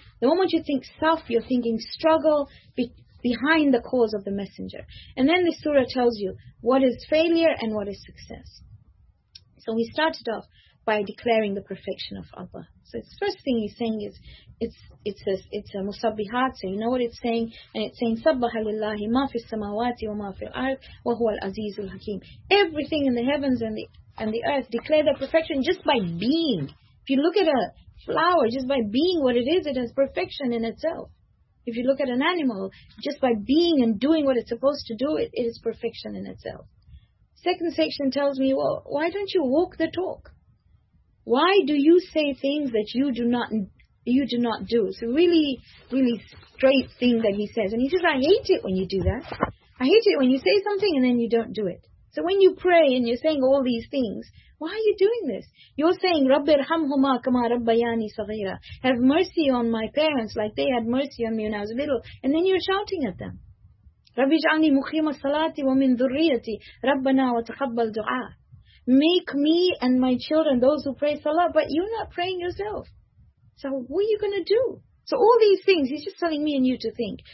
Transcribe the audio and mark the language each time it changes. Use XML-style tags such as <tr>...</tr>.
<en>The moment you think self, you're thinking struggle behind the cause of the messenger. And then the surah tells you what is failure and what is success. So we started off by declaring the perfection of Allah. So the first thing he's saying is, it's a musabbihat. So you know what it's saying? And it's saying,</en> <ar>سَبَّحَ لِلَّهِ مَا فِي السَّمَاوَاتِ وَمَا فِي الْأَرْضِ وَهُوَ الْعَزِيزُ الْحَكِيمُ.</ar> <en>Everything in the heavens and the earth declare their perfection just by being. If you look at a flower, just by being what it is, it has perfection in itself. If you look at an animal, just by being and doing what it's supposed to do, it is perfection in itself. Second section tells me, well, why don't you walk the talk? Why do you say things that you do not do? So really, really straight thing that he says. And he says, I hate it when you do that. I hate it when you say something and then you don't do it. So when you pray and you're saying all these things, why are you doing this? You're saying,</en> <ar>رَبِّ ارْحَمْهُمَا كَمَا رَبَّيَانِي صَغِيرًا.</ar> <en>Have mercy on my parents like they had mercy on me when I was little. And then you're shouting at them.</en> <ar>رَبِّ اجْعَلْنِي مُخِيمَ الصَّلَاةِ وَمِنْ ذُرِّيَّتِي رَبَّنَا وَتَخَبَّلْ دُعَاءً.</ar> <en>Make me and my children those who pray Salah, but you're not praying yourself. So what are you going to do? So all these things, he's just telling me and you to think.</en>